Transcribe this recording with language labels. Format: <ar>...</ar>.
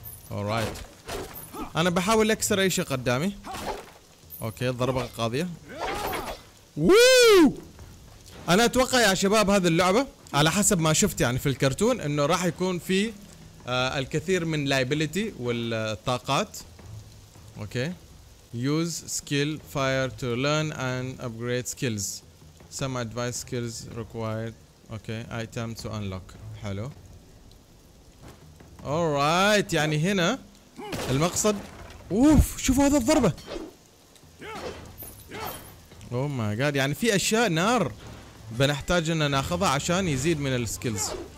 <ar>alright انا بحاول اكسر اي شيء قدامي. اوكي ضربة قاضية. ووو انا اتوقع يا شباب هذه اللعبة على حسب ما شفت يعني في الكرتون انه راح يكون في الكثير من liability والطاقات.</ar> <en>Okay use skill fire to learn and upgrade skills some advanced skills required. Okay item to unlock.</en> <ar>حلو alright يعني هنا المقصد. اوف شوفوا هذا الضربة.</ar> <en>oh my god</en> <ar>يعني في اشياء نار بنحتاج ان ناخذها عشان يزيد من السكيلز.</ar>